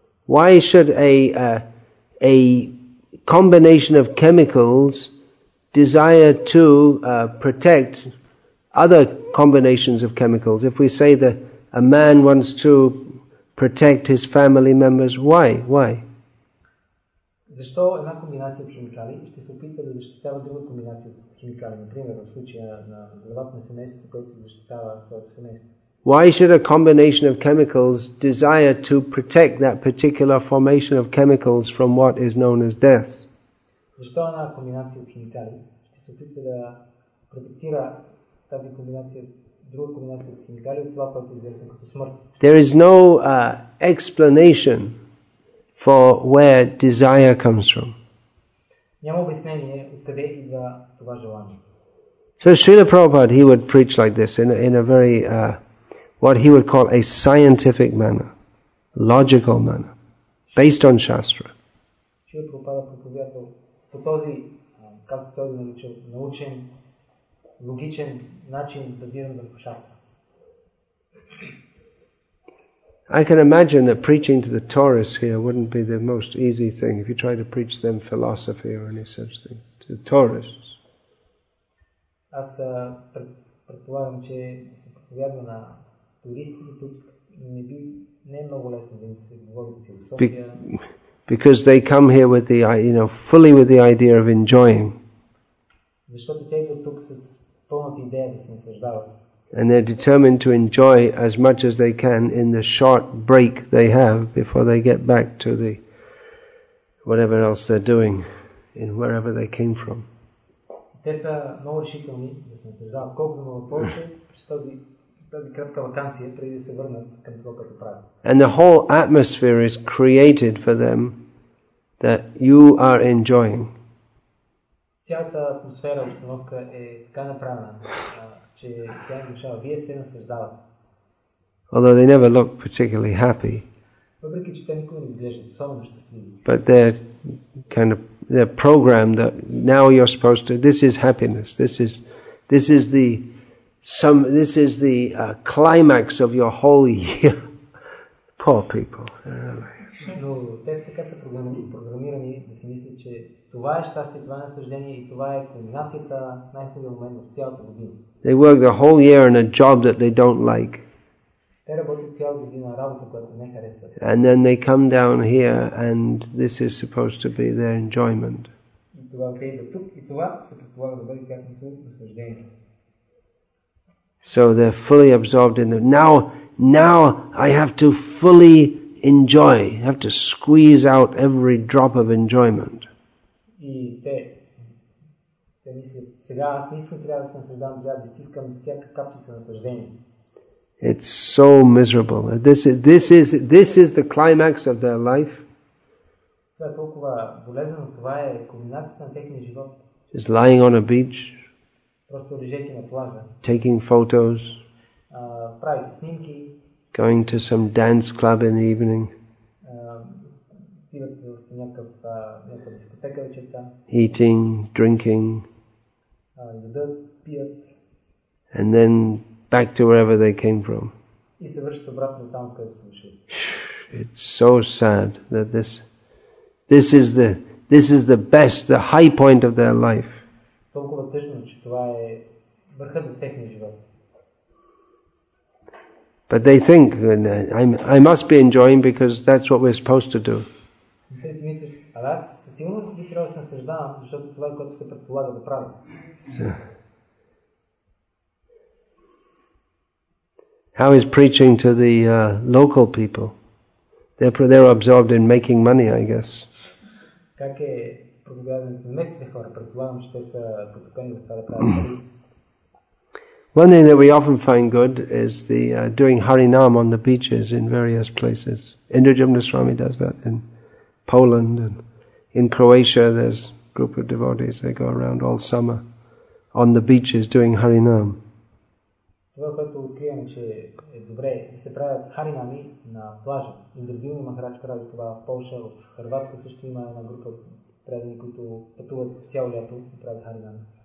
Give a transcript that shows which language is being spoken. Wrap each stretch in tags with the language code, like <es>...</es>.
<en>Why should a combination of chemicals desire to protect other combinations of chemicals? If we say that a man wants to protect his family members, why? Why?</en> <bg>Защо една комбинация от химикали ще се опитва да защитава друга комбинация от химикали, например, в случая на главата на семейството, който защитава своето семейство?</bg> <en>Why should a combination of chemicals desire to protect that particular formation of chemicals from what is known as death?</en> <bg>Защо една комбинация от химикали ще се опитва да протектира тази комбинация, друга комбинация от химикали от това, което е известно като смърт?</bg> <en>There is no explanation for where desire comes from.</en> <bg>Няма обяснение откъде идва това желание.</bg> <en>So Srila Prabhupada, he would preach like this in a very what he would call a scientific manner, logical manner, based on Shastra.</en> <bg>Srila Prabhupada проповядва по този, както той го нарича, научен, логичен начин, базиран върху Шастра.</bg> <en>I can imagine that preaching to the tourists here wouldn't be the most easy thing if you try to preach them philosophy or any such thing to the tourists.</en> <bg>Аз предполагам, че се проповядва на туристите тук не е много лесно да им се говори за философия.</bg> <en>Because they come here with the, you know, fully with the idea of enjoying.</en> <bg>Защото те идват тук с пълната идея да се наслаждават.</bg> <en>And they're determined to enjoy as much as they can in the short break they have before they get back to the whatever else they're doing in wherever they came from.</en> <bg>Те са много решителни да се наслаждават колкото много повече с този тази кратка ваканция, преди да се върнат към това, което правят.</bg> <en>And the whole atmosphere is created for them that you are enjoying.</en> <bg>Цялата атмосфера, обстановка е така направена, че тя е душава. Вие се наслаждавате.</bg> <en>Although they never look particularly happy.</en> <bg>Въпреки, че те никога не изглеждат особено щастливи.</bg> <en>But they're kind of they're programmed that now you're supposed to, this is happiness, this is the climax of your whole year. Poor people.</en> <bg>Но те са така са програмирани да си мислят, че това е щастие, това е наслаждение и това е кулминацията най-хубавия момент в цялата година.</bg> <en>They work the whole year in a job that they don't like.</en> <bg>Те работят цяла година работа, която не харесват.</bg> <en>And then they come down here and this is supposed to be their enjoyment.</en> <bg>И това те идват тук и това се предполага да бъде тяхното наслаждение.</bg> <en>So they're fully absorbed in the now I have to fully enjoy, I have to squeeze out every drop of enjoyment.</en> <bg>И те мислят, сега аз наистина трябва да се наслаждавам, трябва да стискам всяка капчица наслаждение.</bg> <en>It's so miserable. This is the climax of their life.</en> <bg>Това е толкова болезнено, това е кулминацията на техния живот.</bg> <en>Just lying on a beach.</en> <bg>Просто лежейки на плажа.</bg> <en>Taking photos.</en> <bg>Правите снимки.</bg> <en>Going to some dance club in the evening.</en> <bg>Идват в някаква дискотека вечерта.</bg> <en>Eating, drinking.</en> <bg>Ядат, пият.</bg> <en>And then back to wherever they came from.</en> <bg>И се връщат обратно там, където са дошли.</bg> <en>It's so sad that this is the best, the high point of their life.</en> <bg>Толкова тъжно, че това е върхът на техния живот.</bg> <en>But they think I must be enjoying because that's what we're supposed to do.</en> <bg>Те си мислят, а аз със сигурност би трябвало да се наслаждавам, защото това е което се предполага да правя.</bg> <en>How is preaching to the local people? They're absorbed in making money, I guess.</en> <bg>Как е проповядването на местните хора? Предполагам, че те са потопени в това да правят.</bg> <en>One thing that we often find good is the doing Harinam on the beaches in various places. Indrajumna Swami does that in Poland and in Croatia there's a group of devotees that go around all summer on the beaches doing Harinam.</en> <bg>Това, което открием, че е добре да се правят харинами на плажа. Индрадивни махарач прави това в Полша, в Хърватска също има една група предани, които пътуват в цяло лято и правят харинами.</bg>